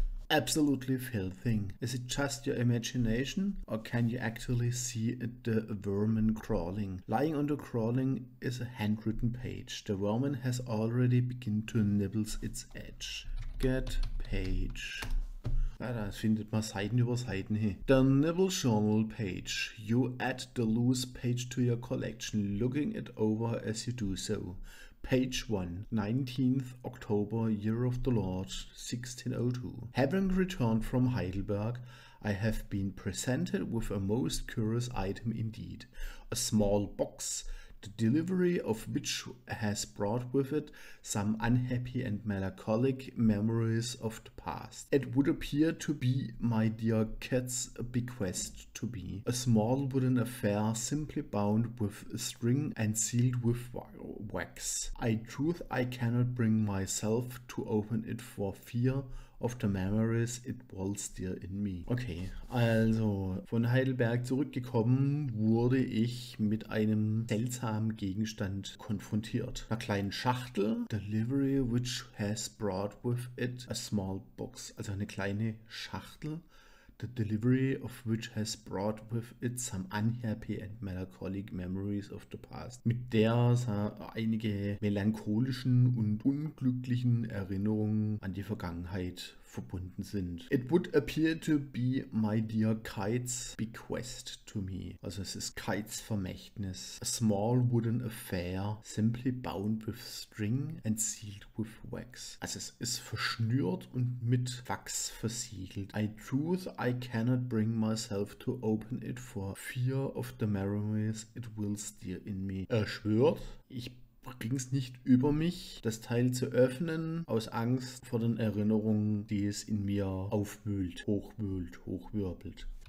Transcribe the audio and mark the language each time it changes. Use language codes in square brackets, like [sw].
[en] Absolutely filthy. Is it just your imagination? Or can you actually see the vermin crawling? Lying on the crawling is a handwritten page. The vermin has already begun to nibble its edge. Get page. [de] Ah, das findet man Seiten über Seiten hier. [en] The Nibble Journal page. You add the loose page to your collection, looking it over as you do so. Page 1. 19th October, Year of the Lord, 1602. Having returned from Heidelberg, I have been presented with a most curious item indeed. A small box, the delivery of which has brought with it some unhappy and melancholic memories of the past. It would appear to be my dear cat's bequest to me. A small wooden affair simply bound with string and sealed with wax. I cannot bring myself to open it for fear of the memories it holds dear in me. [de] Okay, also von Heidelberg zurückgekommen, wurde ich mit einem seltsamen Gegenstand konfrontiert. Einer kleinen Schachtel. [en] Delivery which has brought with it a small box. [de] Also eine kleine Schachtel. [en] The delivery of which has brought with it some unhappy and melancholic memories of the past. [de] Mit der sah einige melancholischen und unglücklichen Erinnerungen an die Vergangenheit verbunden sind. [en] It would appear to be my dear Kite's bequest to me. [de] Also es ist Kite's Vermächtnis. [en] A small wooden affair, simply bound with string and sealed with wax. [de] Also es ist verschnürt und mit Wachs versiegelt. [en] I cannot bring myself to open it for fear of the memories it will stir in me. [de] Er schwört, ich ging es nicht über mich, das Teil zu öffnen, aus Angst vor den Erinnerungen, die es in mir aufwühlt, hochwühlt, hochwirbelt.